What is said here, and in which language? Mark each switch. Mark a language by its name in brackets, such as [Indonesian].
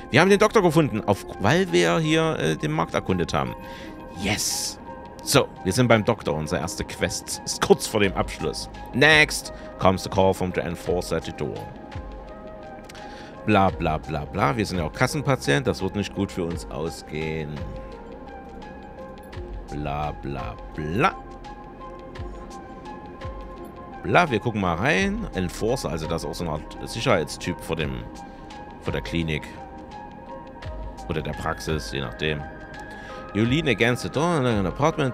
[German] Wir haben den Doktor gefunden, weil wir hier den Markt erkundet haben. Yes! So, wir sind beim Doktor. Unsere erste Quest ist kurz vor dem Abschluss. [English] Next comes the call from the enforcer at the door. [German] Bla bla bla bla. Wir sind ja auch Kassenpatient. Das wird nicht gut für uns ausgehen. Bla bla bla. Bla, wir gucken mal rein. Enforcer, also das ist auch so eine Art Sicherheitstyp vor dem... vor der Klinik. Oder der Praxis, je nachdem. [English] You lean against the door in an apartment.